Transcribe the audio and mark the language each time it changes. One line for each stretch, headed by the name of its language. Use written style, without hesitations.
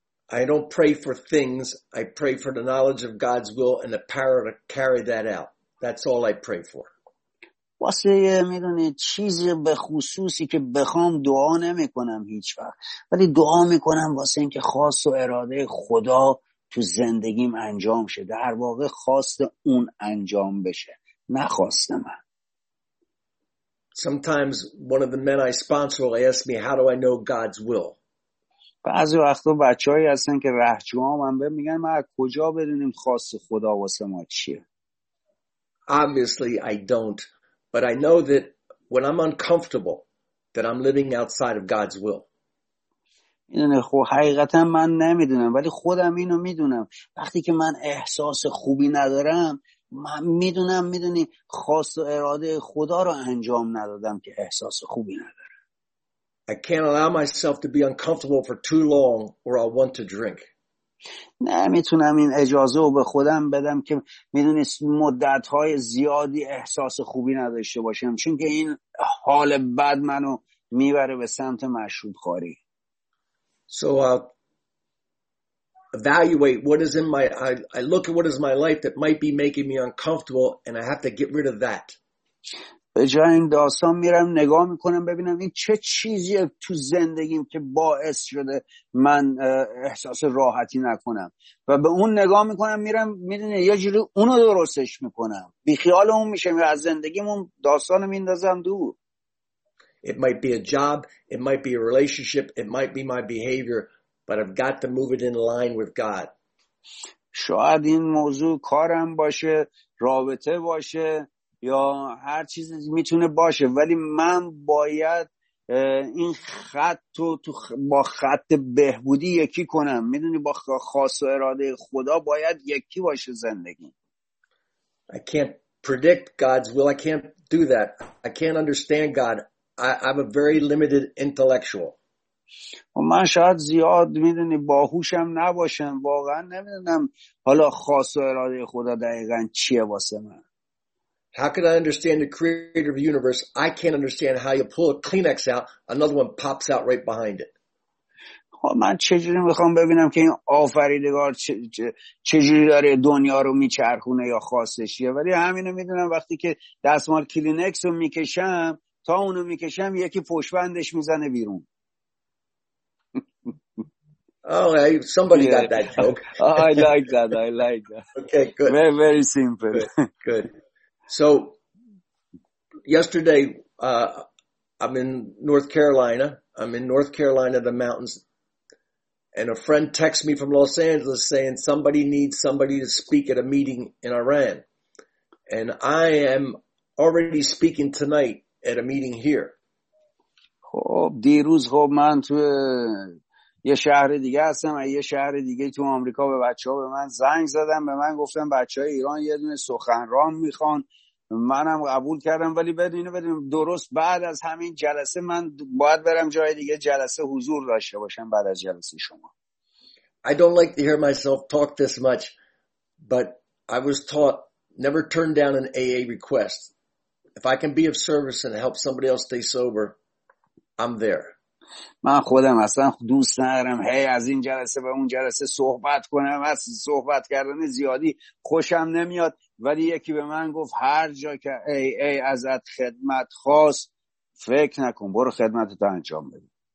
English: I don't pray for things. I pray for the knowledge of God's will and the power to carry that out. That's all I pray for.
Persian: واسه میدونی چیزی به خصوصی که بخوام دعا نمی کنم هیچ وقت، ولی دعا می کنم واسه این که خواست و اراده خدا تو زندگیم انجام شه، در واقع خواست اون انجام بشه، نخواست من.
English: Sometimes one of the men I sponsor will ask me, how do I know God's will?
Persian: بعضی وقتا بچه هایی هستن که رهجوام هم به میگن ما کجا بدونیم خواست خدا واسه ما چیه.
English: Obviously I don't. But I know that when I'm uncomfortable, that I'm living outside of God's will.
Persian: خب حقیقتا من نمیدونم، ولی خودم اینو میدونم. وقتی که من احساس خوبی ندارم، من میدونم، میدونی، خواست و اراده خدا رو انجام ندادم که احساس خوبی ندارم.
English: I can't allow myself to be uncomfortable for too long or I want to drink.
Persian: نمیتونم این اجازه رو به خودم بدم که میدونی مدت‌های زیادی احساس خوبی نداشته باشم، چون که این حال بد منو میبره به سمت مشروب خوری.
English: So evaluate what is in my I look at what is my life that might be making me uncomfortable and I have to get rid of that.
Persian: به جای این داستان میرم نگاه میکنم ببینم این چه چیزیه تو زندگیم که باعث شده من احساس راحتی نکنم، و به اون نگاه میکنم میرم میدونی یه جوری اونو درستش میکنم، بیخیال اون میشم از زندگیم اون داستانو میندازم دور.
English: It might be a job, it might be a relationship, it might be my behavior, but I've got to move it in line with God.
Persian: شاید این موضوع کارم باشه، رابطه باشه، یا هر چیزی میتونه باشه، ولی من باید این خط رو تو با خط بهبودی یکی کنم. میدونی با خواست و اراده خدا باید یکی باشه زندگی.
English: I can't predict God's will. I can't do that. I can't understand God. I'm a very limited intellectual.
Persian: من شاید زیاد میدونی باهوشم نباشم. واقعا نمیدونم حالا خواست و اراده خدا دقیقا چیه واسه من.
English: How can I understand the creator of the universe? I can't understand how you pull a Kleenex out, another one pops out right behind it.
Persian: من چجوری میخوام ببینم که این آفریدگار چجوری داره دنیا رو میچرخونه یا خواستشیه، ولی همینو میدونم وقتی که دستمال کلینکس رو میکشم، تا اونو میکشم یکی پشبندش میزنه بیرون.
English: Okay, somebody got that joke. I like that. Okay, good. Very simple. Good. So yesterday I'm in North Carolina, the mountains, and a friend texts me from Los Angeles saying somebody needs somebody to speak at a meeting in Iran, and I am already speaking tonight at a meeting here.
Persian: خب دیروز خب من تو یه شهر دیگه هستم، یه شهر دیگه تو آمریکا به بچه‌ها به من زنگ زدن، به من گفتن بچه‌های ایران یه دونه سخنران میخوان، منم قبول کردم، ولی بدونیم درست بعد از همین جلسه من باید برم جای دیگه جلسه حضور داشته باشم بعد از جلسه شما.
English: I don't like to hear myself talk this much, but I was taught never turn down an AA request. If I can be of service and help somebody else stay sober, I'm there.
Persian: من خودم اصلا دوست ندارم از این جلسه به اون جلسه صحبت کنم، از صحبت کردن زیادی خوشم نمیاد، ولی یکی به من گفت هر جا که ای ازت خدمت خواست فکر نکن، برو خدمت تو انجام بده.